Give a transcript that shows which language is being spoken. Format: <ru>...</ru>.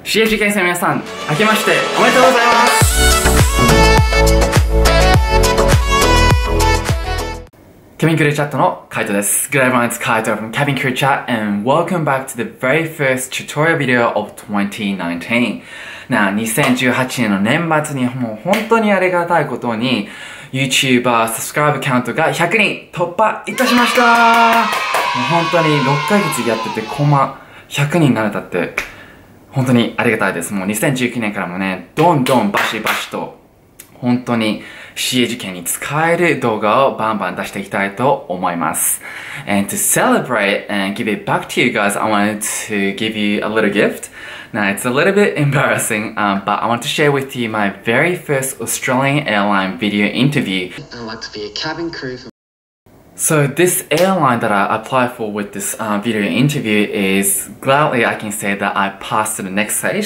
<ja>CA 受験生の皆さん、明けましておめでとうございます。キャビンクルーチャットのカイトです。</ja> <en>Good everyone, it's Kaito from キャビンクルーチャット and welcome back to the very first tutorial video of 2019.</en> <ja>Now, 2018年の年末にもう本当にありがたいことに</ja> <en>YouTuber subscribe count</en> <ja>が100人突破いたしました。もう本当に6ヶ月やってて100人になれたって本当にありがたいです。もう2019年からもね、どんどんバシバシと本当に CA 受験に使える動画をバンバン出していきたいと思います。</ja> <en>And to celebrate and give it back to you guys, I wanted to give you a little gift. Now it's a little bit embarrassing, but I want to share with you my very first Australian airline video interview. I want to be a cabin crew for... So this airline that I applied for with this video interview is, gladly I can say that I passed to the next stage.</en>